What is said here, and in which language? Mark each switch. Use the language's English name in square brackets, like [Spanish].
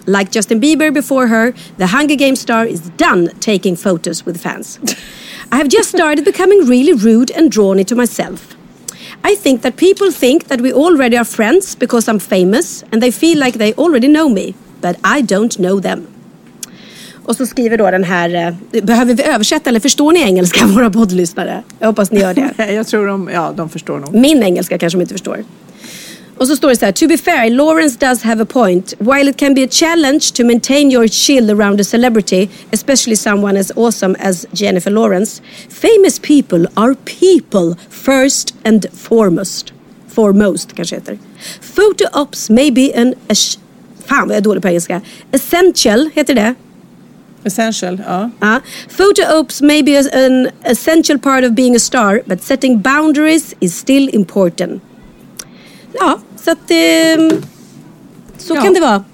[English] Like Justin Bieber before her, the Hunger Games star is done taking photos with fans. I have just started becoming really rude and drawn into myself. I think that people think that we already are friends because I'm famous and they feel like they already know me, but I don't know them. [Swedish] Och så skriver då den här, behöver vi översätta eller förstår ni engelska, våra poddlyssnare? Jag hoppas ni gör det. Jag tror de förstår nog. Min engelska kanske de inte förstår. Och så står det så här: [English] to be fair, Lawrence does have a point. While it can be a challenge to maintain your chill around a celebrity, especially someone as awesome as Jennifer Lawrence, famous people are people first and foremost. [Swedish] Foremost kanske heter. [English] Photo ops may be an, [Swedish] fan vad jag är dålig på engelska. Essential heter det. Essential, ja. [English] Photo ops may be an essential part of being a star, but setting boundaries is still important. [Swedish] Ja, så att kan det vara.